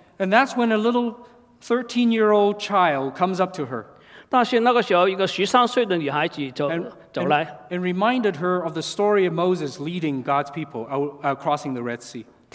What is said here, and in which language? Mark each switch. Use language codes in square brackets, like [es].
[en] And that's when a little 13-year-old child comes up to her. [zh] 但是那个时候一个13岁的女孩子走来, [en] and reminded her of the story of Moses leading God's people out, crossing the Red Sea.